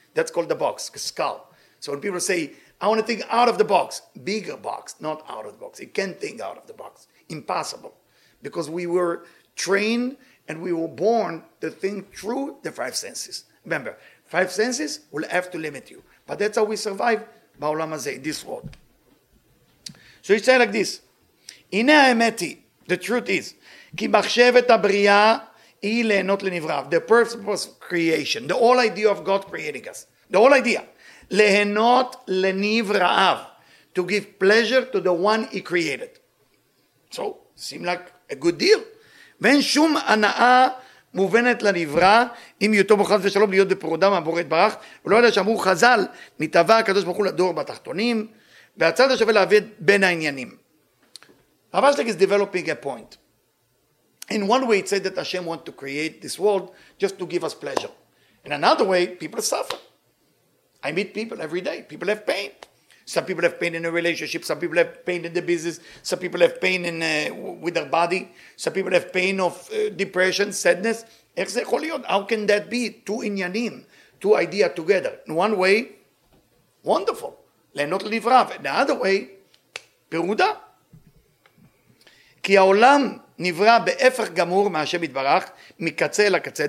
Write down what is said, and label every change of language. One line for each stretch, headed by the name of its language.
English: That's called the box, the skull. So when people say, I want to think out of the box, bigger box, not out of the box. You can't think out of the box. Impossible. Because we were trained and we were born to think through the five senses. Remember, five senses will have to limit you. But that's how we survive, ba'olam hazeh, this world. So he said like this,
Hebrew: הנה האמת היא,
English: the truth is,
Hebrew: כי מחשבת הבריאה היא ליהנות לנבריו.
English: The purpose of creation, the whole idea of God creating us, the whole idea,
Hebrew: ליהנות לנבריו,
English: to give pleasure to the one he created. So, seem like a good deal.
Hebrew: ואין שום הנאה מובנת לנברא, אם יותו בו חס ושלום להיות בפרודה מהבורת ברך, ולא יודע שאמרו חזל, נתבע הקדוש ברוך הוא לדור בתחתונים, והצד השווה להביא בין העניינים.
English: רב אשלג is developing a point. In one way, it said that Hashem wants to create this world just to give us pleasure. In another way, people suffer. I meet people every day. People have pain. Some people have pain in a relationship. Some people have pain in the business. Some people have pain with their body. Some people have pain of depression, sadness.
Hebrew: איך זה יכול להיות?
English: How can that be? Two עניינים, two ideas together. In one way, wonderful.
Hebrew: ליהנות לנבריו.
English: In the other way, פירודה.
Hebrew: כי העולם נברא בהפך גמור מהשם יתברך, מקצה לקצה.